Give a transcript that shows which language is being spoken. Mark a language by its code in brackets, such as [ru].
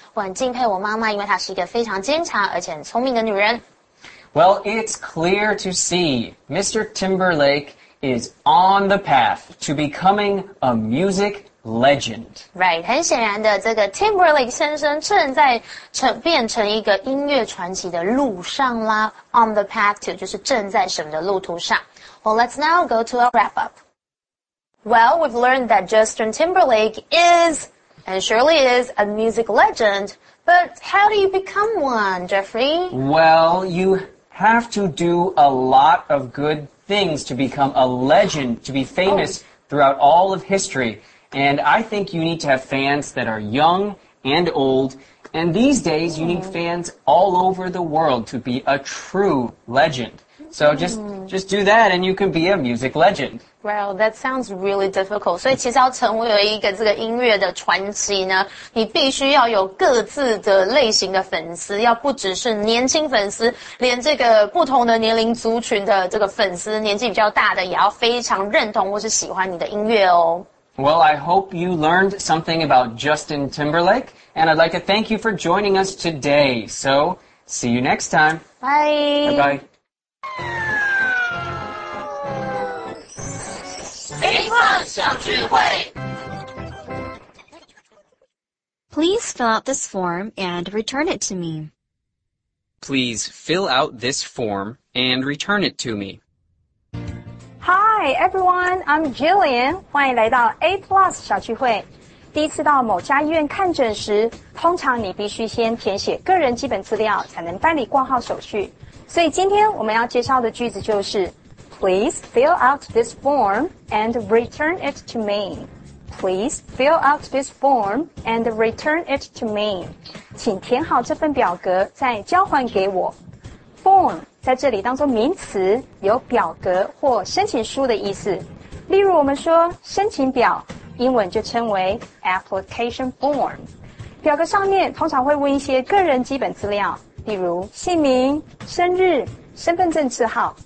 [zh] 我很敬佩我妈妈，因为她是一个非常坚强而且很聪明的女人。 [en] Well, it's clear to see Mr. Timberlake is on the path to becoming a music legend. Right, [zh] 很显然的，这个 Timberlake 先生正在变成一个音乐传奇的路上啦。 [en] On the path to [zh] 就是正在什么的路途上。 [en] Well, let's now go to a wrap up. Well, we've learned that Justin Timberlake is, and surely is, a music legend. But how do you become one, Jeffrey? Well, you have to do a lot of good things to become a legend, to be famous throughout all of history. And I think you need to have fans that are young and old. And these days, you need fans all over the world to be a true legend. So just do that and you can be a music legend. Wow, that sounds really difficult. [zh] 所以其实要成为一个这个音乐的传奇呢，你必须要有各自的类型的粉丝，要不只是年轻粉丝，连这个不同的年龄族群的这个粉丝，年纪比较大的也要非常认同或是喜欢你的音乐哦。 [en] Well, I hope you learned something about Justin Timberlake, and I'd like to thank you for joining us today. So, see you next time. Bye. Bye-bye. Please fill out this form and return it to me. Please fill out this form and return it to me. Hi, everyone. I'm Jillian. [zh] 欢迎来到 A Plus 小聚会。第一次到某家医院看诊时，通常你必须先填写个人基本资料才能办理挂号手续。所以今天我们要介绍的句子就是。 [en] Please fill out this form and return it to me. Please fill out this form and return it to me. [zh] 请填好这份表格再交还给我。Form 在这里当作名词，有表格或申请书的意思。例如我们说申请表，英文就称为 application form。表格上面通常会问一些个人基本资料，例如姓名、生日、身份证字号。